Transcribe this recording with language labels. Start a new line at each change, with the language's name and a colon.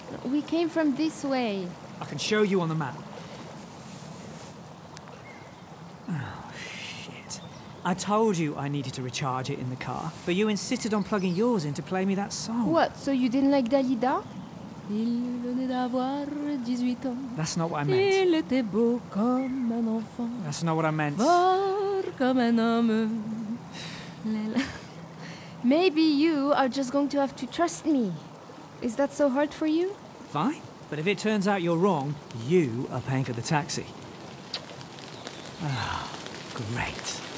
English: We came from this way. I can show you on the map. I told you I needed to recharge it in the car, but you insisted on plugging yours in to play me that song. What, so you didn't like Dalida?
French: Il venait d'avoir 18 ans.
English: That's not what I meant.
French: Il était beau comme un enfant.
English: That's not what I meant.
French: Fort comme un homme. Lela.
English: Maybe you are just going to have to trust me. Is that so hard for you? Fine, but if it turns out you're wrong, you are paying for the taxi. Ah, oh, great.